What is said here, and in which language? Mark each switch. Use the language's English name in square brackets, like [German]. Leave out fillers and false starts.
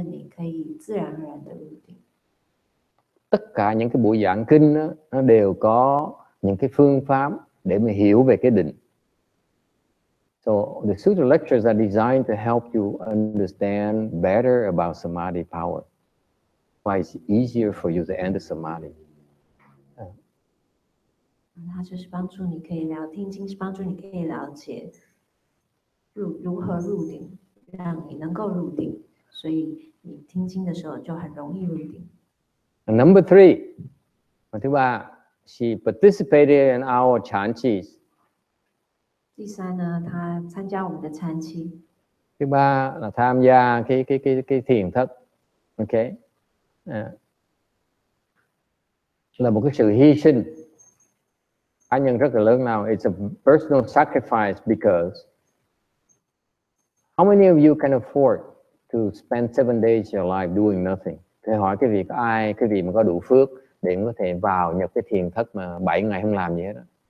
[Chinese] 所以听法呢，就是帮助你听经，听经就是帮助你可以入定，就是我们并没有告诉你，不是，但是你可以自然而然的入定。 [Vietnamese] Tất cả những cái buổi giảng kinh đó, nó đều có những cái phương pháp để mình hiểu về cái định. [English] So the sutra lectures are designed to help you understand better about samadhi power. Why it's easier for you to enter samadhi. [Chinese] 它就是帮助你可以了解如何入定，让你能够入定，所以你听经的时候就很容易入定。 [English] Number three, [Vietnamese] thứ ba, [English] she participated in our chanties. [Chinese] 第三呢，他参加我们的禅期。 [Vietnamese] Thứ ba là tham gia cái thiền thất, ok, là một cái sự hy sinh cá nhân rất là lớn nào. [English] It's a personal sacrifice because how many of you can afford to spend 7 days of your life doing nothing? [Vietnamese] Thầy hỏi cái việc ai, cái gì mà có đủ phước để có thể vào nhập cái thiền thất mà 7 ngày không làm gì hết đó.